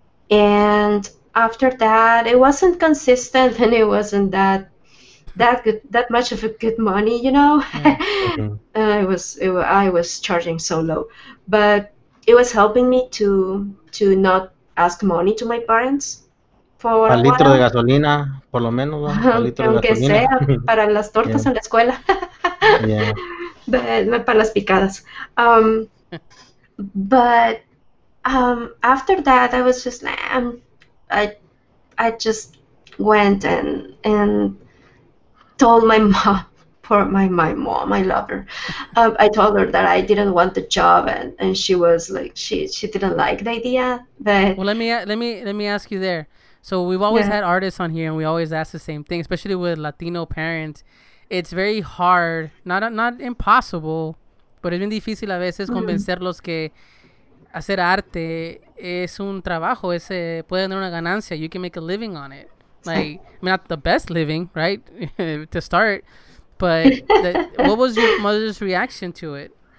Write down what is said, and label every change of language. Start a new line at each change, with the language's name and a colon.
English: And after that, it wasn't consistent and it wasn't that much of a good money, you know. Mm-hmm. I was charging so low, but it was helping me to not ask money to my parents for
Spanish: a litro de gasolina, por lo menos, ¿no? A litro de aunque gasolina. Sea para las tortas yeah. en la escuela,
English: yeah.
Spanish: but, para las picadas.
English: but after that, I was just I just went and told my mom, poor my mom, I love her. I told her that I didn't want the job, and she was like, she didn't like the idea. But well, let me ask you there. So we've always yeah. had artists on here, and we always ask the same thing, especially with Latino parents. It's very hard, not impossible, but
Spanish: es bien difícil a veces
English: mm-hmm.
Spanish: convencerlos que hacer arte es un trabajo. Ese puede tener una ganancia.
English: You can make a living on it. Like, I mean, not the best living, right, to start, but what was your mother's reaction to it?